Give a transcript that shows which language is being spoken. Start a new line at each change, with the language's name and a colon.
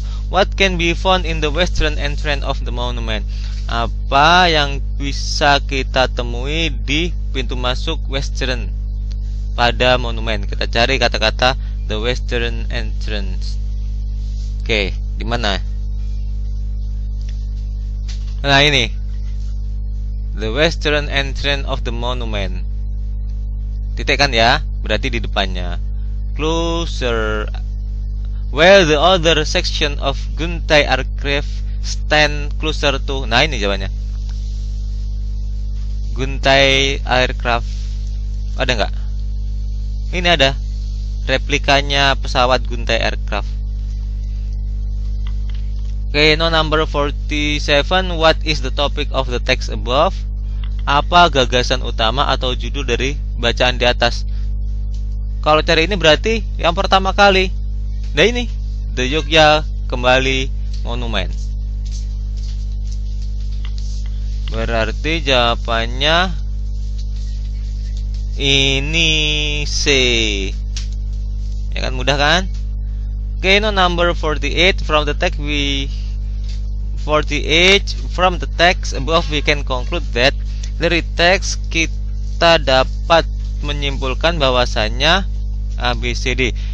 English: What can be found in the western entrance of the monument?
Indonesian: Apa yang bisa kita temui di pintu masuk western pada monument? Kita cari kata-kata
English: the western entrance.
Indonesian: Oke, di mana? Nah, ini.
English: The western entrance of the monument.
Indonesian: Titik kan ya, berarti di depannya.
English: Closer. Where the other section of Guntai archive stand closer to.
Indonesian: Nah, ini jawabannya. Guntai aircraft. Ada enggak? Ini ada. Replikanya pesawat Guntai aircraft.
English: Okay, no number 47. What is the topic of the text above?
Indonesian: Apa gagasan utama atau judul dari bacaan di atas? Kalau cari ini berarti yang pertama kali. Nah ini, The Yogya Kembali Monument. Berarti jawabannya ini C. Ya kan, mudah kan?
English: Okay, no number 48. From the text we 48. From the text above we can conclude that.
Indonesian: Dari teks kita dapat menyimpulkan bahwasannya A, B, C, D.